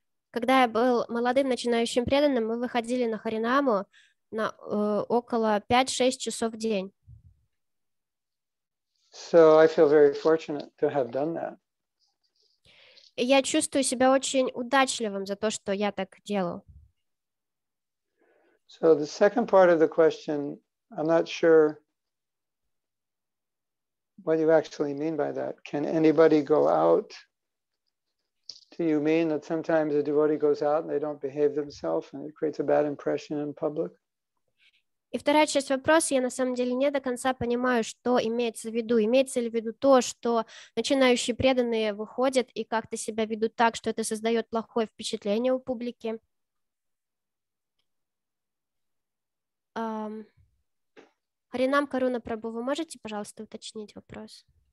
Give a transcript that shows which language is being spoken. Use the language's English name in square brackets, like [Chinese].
[Russian] Когда я был молодым начинающим преданным, мы выходили на Харинаму на около 5-6 часов в день. [English] So I feel very fortunate to have done that. [Russian] Я чувствую себя очень удачливым за то, что я так делал. [English] So the second part of the question, I'm not sure what you actually mean by that. Can anybody go out? Do you mean that sometimes a devotee goes out and they don't behave themselves and it creates a bad impression in public? [Russian] И вторая часть вопроса, я на самом деле не до конца понимаю, что имеется в виду. Имеется ли в виду то, что начинающие преданные выходят и как-то себя ведут так, что это создает плохое впечатление у публики? Харинам Каруна Прабу, вы можете, пожалуйста, уточнить вопрос?